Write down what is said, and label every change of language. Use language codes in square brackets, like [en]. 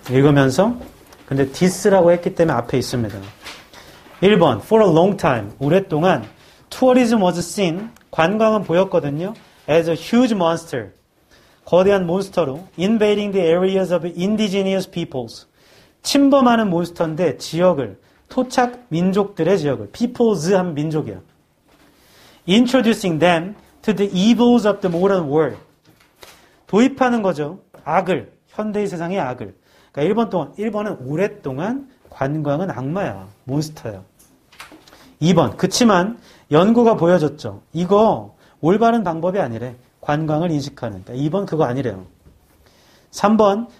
[ko] 읽으면서. 근데 this라고 했기 때문에 앞에 있습니다. 1번. [en] For a long time. [ko] 오랫동안. [en] Tourism was seen. [ko] 관광은 보였거든요. [en] As a huge monster. [ko] 거대한 몬스터로. [en] Invading the areas of indigenous peoples. [ko] 침범하는 몬스터인데 지역을. 토착 민족들의 지역을. Peoples 하면 민족이야. [en] Introducing them to the evils of the modern world. [ko] 도입하는 거죠. 악을. 현대의 세상의 악을. 그러니까 1번 동안. 1번은 오랫동안 관광은 악마야. 몬스터야. 2번. 그치만 연구가 보여줬죠. 이거 올바른 방법이 아니래. 관광을 인식하는. 그러니까 2번 그거 아니래요. 3번.